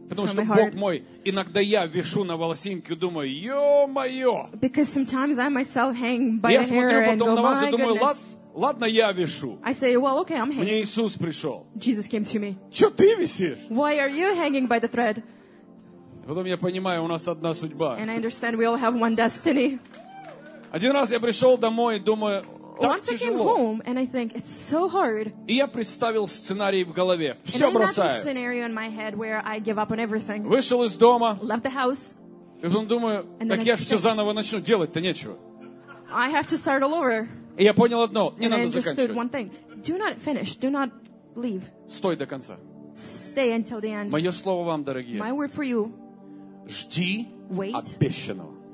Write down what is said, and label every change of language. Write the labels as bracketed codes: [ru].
[ru] Потому что, Бог мой, иногда я вешу на волосинке и думаю, ё-моё! [en] Because sometimes I myself hang by [ru] я смотрю [en] hair [ru] потом [en] and [ru] на вас и думаю, ладно, я вешу. [en] I say, well, okay, I'm hanging. [ru] Мне Иисус пришел. [en] Jesus came to me. [ru] Чё ты висишь? [en] Why are you hanging by the thread? [ru] Потом я понимаю, у нас одна судьба. [en] And I understand we all have one destiny. [ru] Один раз я пришел домой и думаю, так [en] once [ru] тяжело. [en] I came home and I think it's so hard. [ru] И я представил сценарий в голове. Все бросаю. [en] And I had a scenario in my head where I give up on everything. [ru] Вышел из дома. [en] Left the house. [ru] И потом думаю, так я же все заново начну, делать-то нечего. [en] I have to start all over. [ru] И я понял одно, не [en] and [ru] надо [en] I understood [ru] заканчивать. [en] One thing. Do not finish. Do not leave. [ru] Стой до конца. [en] Stay until the end. [ru] Мое слово вам, дорогие. [en] My word for you. [ru] Жди обещанного.